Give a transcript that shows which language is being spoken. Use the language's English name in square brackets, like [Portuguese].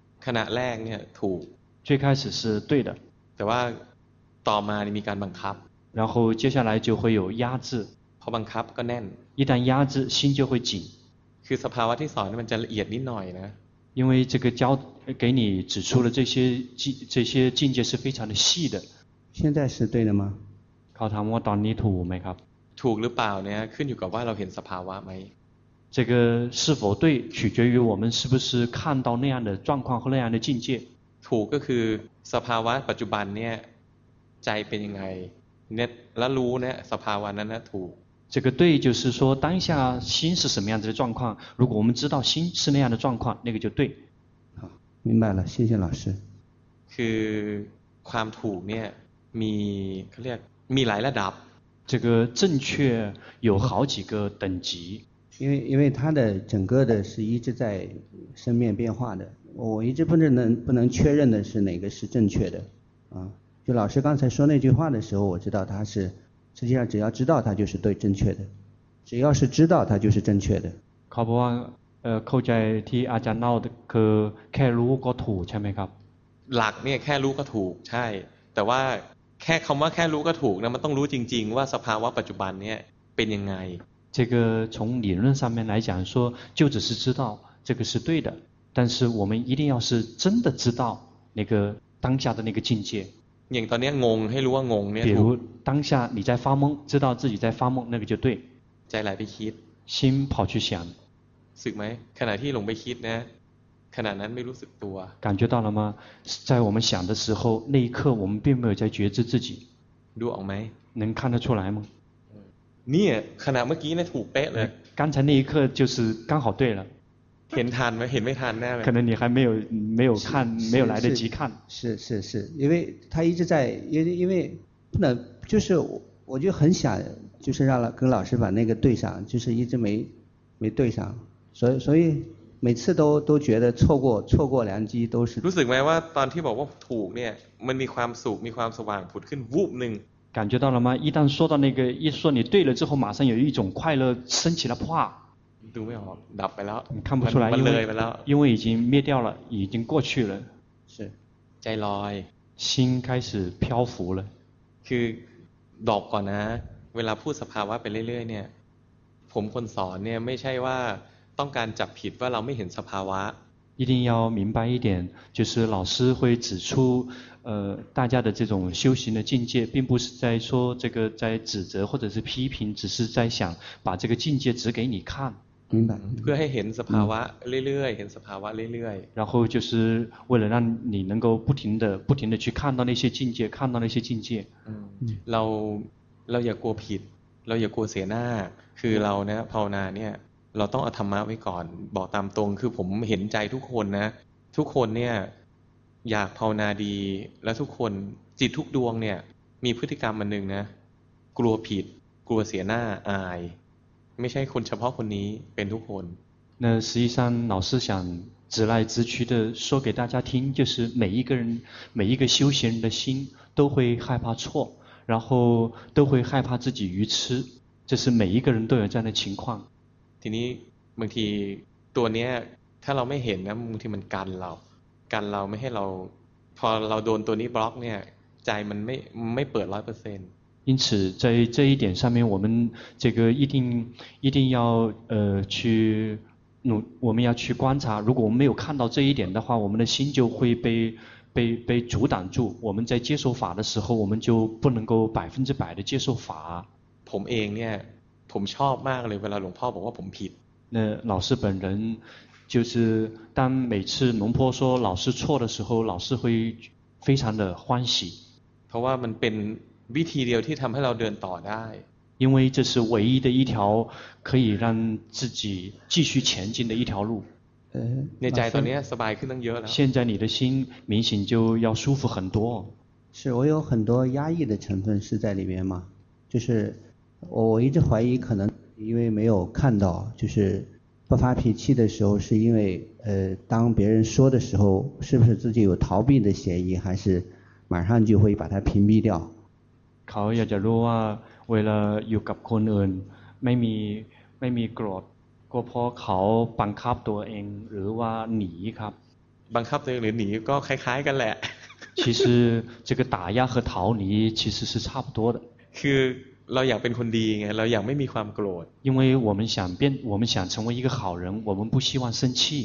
[Thai] ขณะแรกเนี่ยถูก [Chinese] 最开始是对的 [Thai] แต่ว่าต่อมานี่มีการบังคับ [Chinese] 然后接下来就会有压制 [Thai] พอบังคับก็แน่น [Chinese] 一旦压制心就会紧 [Thai] คือสภาวะที่สอนมันจะละเอียดนิดหน่อยนะ [Chinese] 因为这个教给你指出了这些境界是非常的细的现在是对的吗 [Thai] เขาถามว่าตอนนี้ถูกไหมครับ ถูกหรือเปล่าเนี่ยขึ้นอยู่กับว่าเราเห็นสภาวะไหม [Chinese] 这个是否对取决于我们是不是看到那样的状况和那样的境界 [Thai] ถูกก็คือสภาวะปัจจุบันเนี่ยใจเป็นยังไง 那那如呢？萨帕瓦那那土。 [Chinese] 这个对，就是说当下心是什么样子的状况，如果我们知道心是那样的状况，那个就对。好，明白了，谢谢老师。 [Thai] คือความถูกเนี่ยมีเขาเรียกมีหลายระดับ [Chinese] 这个正确有好几个等级。因为它的整个的是一直在生灭变化的，我一直不能确认的是哪个是正确的，啊，就老师刚才说那句话的时候，我知道它是，实际上只要知道它就是对正确的，只要是知道它就是正确的。考不完，扣在替阿加闹的去开路个土，前面考。 [Thai] หลักเนี่ยแค่รู้ก็ถูกใช่แต่ว่าแค่คำว่าแค่รู้ก็ถูกนะมันต้องรู้จริงๆว่าสภาวะปัจจุบันเนี่ยเป็นยังไง [Chinese] 这个从理论上面来讲说就只是知道这个是对的但是我们一定要是真的知道那个当下的那个境界 [Thai] อย่างตอนนี้งงให้รู้ว่างงเนี่ย [Chinese] 比如当下你在发懵知道自己在发懵那个就对 [Thai] ใจไหลไปคิด [Chinese] 心跑去想 [Thai] สึกไหมขณะที่หลงไปคิดนะขณะนั้นไม่รู้สึกตัว [Chinese] 感觉到了吗在我们想的时候那一刻我们并没有在觉知自己 [Thai] ดูออกไหม [Chinese] 能看得出来吗 [Thai] เนี่ยขณะเมื่อกี้เนี่ยถูกเป๊ะเลย [Chinese] 刚才那一刻就是刚好对了 [Thai] เห็นทันไหมเห็นไม่ทันแน่เลย [Chinese] 可能你还没有看没有来得及看是是是因为他一直在因为不能就是我就很想就是让跟老师把那个对上就是一直没对上所以每次都觉得错过良机都是 [Thai] รู้สึกไหมว่าตอนที่บอกว่าถูกเนี่ยมันมีความสุขมีความสว่างผุดขึ้นวูบหนึ่ง [Chinese] 感觉到了吗一旦说到那个一说你对了之后马上有一种快乐升起了啪 [Thai] ดูไม่ออกดับไปแล้ว [Chinese] 看不出来 [Thai] มันเลยไปแล้ว [Chinese] 因为已经灭掉了已经过去了是 [Thai] ใจลอย [Chinese] 心开始漂浮了 [Thai] คือดอกก่อนนะเวลาพูดสภาวะไปเรื่อยๆเนี่ยผมคนสอนเนี่ยไม่ใช่ว่าต้องการจับผิดว่าเราไม่เห็นสภาวะ [Chinese] 一定要明白一点就是老师会指出大家的这种修行的境界并不是在说这个在指责或者是批评只是在想把这个境界指给你看明白 [Thai] เพื่อให้เห็นสภาวะเรื่อยๆเห็นสภาวะเรื่อย [Chinese] ๆ然后就是为了让你能够不停地去看到那些境界看到那些境界 [Thai] เราอย่ากลัวผิดเราอย่ากลัวเสียหน้าคือเราเนี่ยภาวนาเนี่ยเราต้องเอาธรรมะไว้ก่อนบอกตามตรงคือผมเห็นใจทุกคนนะทุกคนเนี่ยอยากภาวนาดีและทุกคนจิตทุกดวงเนี่ยมีพฤติกรรมมันหนึ่งนะกลัวผิดกลัวเสียหน้าอายไม่ใช่คนเฉพาะคนนี้เป็นทุกคน [Chinese] 那实际上老师想直来直去的说给大家听就是每一个人每一个修行人的心都会害怕错然后都会害怕自己愚痴这是每一个人都有这样的情况 [Thai] ทีนี้บางทีตัวเนี้ยถ้าเราไม่เห็นนะบางทีมันกันเราไม่ให้เราพอเราโดนตัวนี้บล็อกเนี่ยใจมันไม่เปิด 100% [Chinese] 因此在这一点上面我们这个一定要去努我们要去观察如果我们没有看到这一点的话我们的心就会被阻挡住我们在接受法的时候我们就不能够100%的接受法 [Thai] ผมเองเนี่ยผมชอบมากเลยเวลาหลวงพ่อบอกว่าผมผิด [Chinese] 那老师本人就是当每次龙坡说老师错的时候老师会非常的欢喜 [Thai] เพราะว่ามันเป็นวิธีเดียวที่ทำให้เราเดินต่อได้ [Chinese] 因为这是唯一的一条可以让自己继续前进的一条路 [Thai] ในใจตอนนี้สบายขึ้นตั้งเยอะแล้ว [Chinese] 现在你的心明显就要舒服很多是我有很多压抑的成分是在里面嘛就是我一直怀疑可能因为没有看到就是不发脾气的时候是因为当别人说的时候是不是自己有逃避的嫌疑还是马上就会把它屏蔽掉 [Thai] เขาอยากจะรู้ว่าเวลาอยู่กับคนอื่นไม่มีโกรธก็เพราะเขาบังคับตัวเองหรือว่าหนีครับ บังคับตัวเองหรือหนีก็คล้ายๆกันแหละ [Chinese] 其实这个打压和逃离其实是差不多的 [Thai] คือเราอยากเป็นคนดีไงเราอยากไม่มีความโกรธ [Chinese] 因为我们想变我们想成为一个好人我们不希望生气